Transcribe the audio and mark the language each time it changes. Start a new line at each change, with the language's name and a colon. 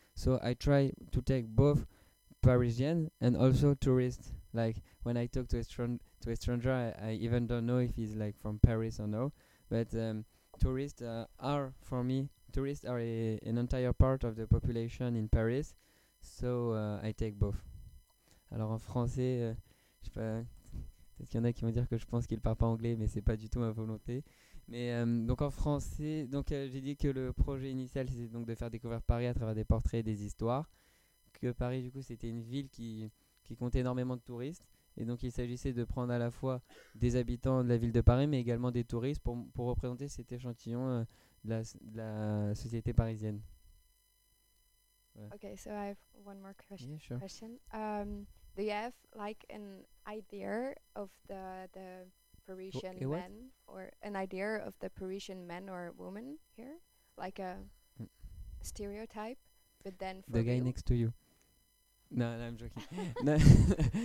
English: So I try to take both Parisian and also tourist. Like when I talk to a stranger, I even don't know if he's like from Paris or no. But tourists are, for me, tourists are an entire part of the population in Paris. So I take both.
French: Alors en français, je sais pas, peut-être qu'il y en a qui vont dire que je pense qu'il parle pas anglais, mais c'est pas du tout ma volonté. Mais donc en français, donc j'ai dit que le projet initial c'était donc de faire découvrir Paris à travers des portraits et des histoires. Que Paris, du coup, c'était une ville qui comptait énormément de touristes. Et donc il s'agissait de prendre à la fois des habitants de la ville de Paris, mais également des touristes pour représenter cet échantillon de la société parisienne.
English: Voilà. Okay, so I have one more question. Yeah, sure. Do you have like an idea of the Parisian men, or an idea of the Parisian man or woman here, like a stereotype, but then for the you guy next to you. No, I'm joking.